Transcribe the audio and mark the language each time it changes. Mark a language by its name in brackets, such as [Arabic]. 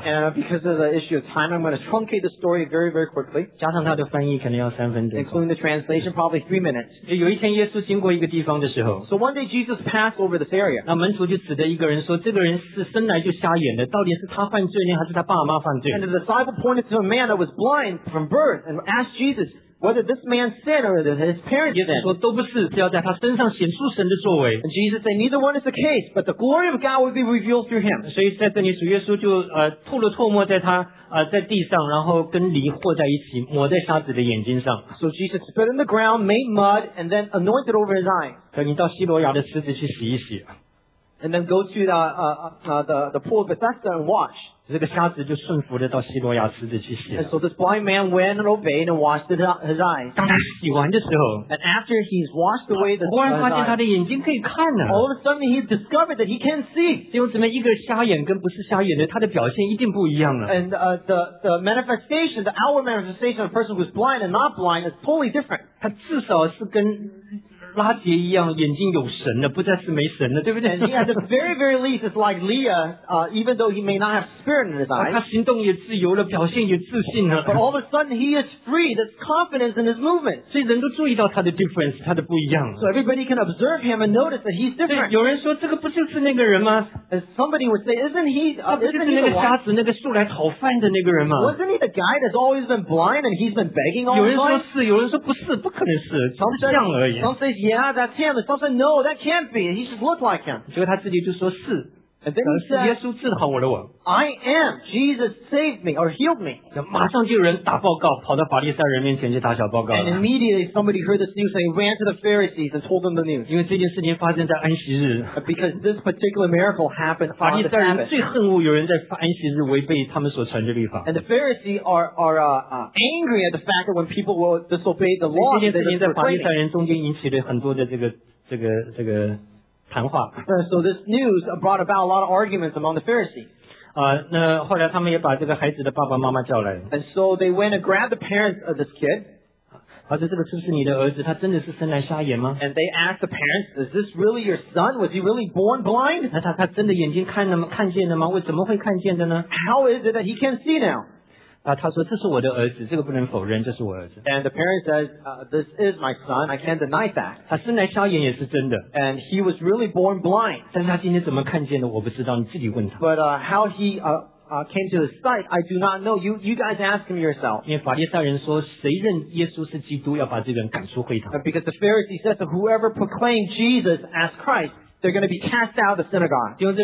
[English] And because of the issue of time, I'm going to truncate the story very, very quickly. [Chinese] 加上它的翻译可能要三分钟。 [English] Including the translation, probably 3 minutes. [Chinese] 有一天耶稣经过一个地方的时候。 [English] So one day Jesus passed over this area. [Chinese] 那门徒就指着一个人说这个人是生来就瞎眼的到底是他犯罪呢还是他爸妈犯罪。 [English] And the disciple pointed to a man that was blind from birth and asked Jesus,Whether this man sin or his parents sin. [Chinese] 耶稣说都不是是要在他身上显出神的作为 [English] And Jesus said neither one is the case but the glory of God will be revealed through him [Chinese] 所以在这里主耶稣就吐了唾沫在他在地上然后跟泥和在一起抹在瞎子的眼睛上 [English] So Jesus spit in the ground made mud and then anointed over his eye [Chinese] 可你到希罗亚的池子去洗一洗 [English] And then go to the pool of Bethesda and wash [Chinese] 这个瞎子就顺服的到希罗亚池子去洗了。 [English] And so this blind man went and obeyed and washed his eyes. [Chinese] 当他洗完的时候 [English] ，And after he's washed away the [Chinese] 突然发现他的眼睛可以看了。 [English] All of a sudden he discovered that he can see. [Chinese] 弟兄姊妹，一个瞎眼跟不是瞎眼的，他的表现一定不一样了。 [English] And the manifestation, the outward manifestation of a person who's blind and not blind is totally different. [Chinese] 他至少是跟拉杰一样眼睛有神的不再是没神的对不对 [English] And at the very very least it's like Leah even though he may not have spirit in his eyes [Chinese] 他行动也自由了表现也自信了 [English] But all of a sudden he is free there's confidence in his movement [Chinese] 所以人都注意到他的 difference 他的不一样 [English] So everybody can observe him and notice that he's different [Chinese] 有人说这个不就是那个人吗 [English] And somebody would say isn't he [Chinese] 他不就是那个瞎子那个素来讨饭的那个人吗 [English] Wasn't he the guy that's always been blind and he's been begging all the time [Chinese] 有人说是有人说不是不可能是就是像而已 [English] Some say Yeah, that's him. Some said, no, that can't be. He just looked like him. [Chinese] 结果他自己就说是 [English] And then he said, I am, Jesus saved me or healed me. [Chinese] 马上就有人打报告, 跑到法利赛人面前去打小报告了。 [English] And immediately somebody heard this news and he ran to the Pharisees and told them the news. [Chinese] 因为这件事情发生在安息日, [English] because this particular miracle happened on the Sabbath. [Chinese] 法利赛人最恨恶有人在安息日违背他们所传的律法。 [English] And the Pharisees are angry at the fact that when people will disobey the law, so this news brought about a lot of arguments among the Pharisees. And so they went and grabbed the parents of this kid. [Chinese] 他说这个是不是你的儿子？他真的是生来瞎眼吗？ [English] And they asked the parents, is this really your son? Was he really born blind? [Chinese] 那他真的眼睛看见了吗？为什么会看见的呢？ [English] How is it that he can see now? [Chinese] 他说这是我的儿子，这个不能否认，这是我儿子。 [English] And the parent says, this is my son, I can't deny that. [Chinese] 他生来瞎眼也是真的。 [English] And he was really born blind. [Chinese] 但是他今天怎么看见的我不知道，你自己问他。 [English] But how he came to his sight, I do not know. You guys ask him yourself. [Chinese] 因为法利赛人说，谁认耶稣是基督，要把这个人赶出会堂。 [English] Because the Pharisee says, whoever proclaimed Jesus as Christ, they're going to be cast out of the synagogue.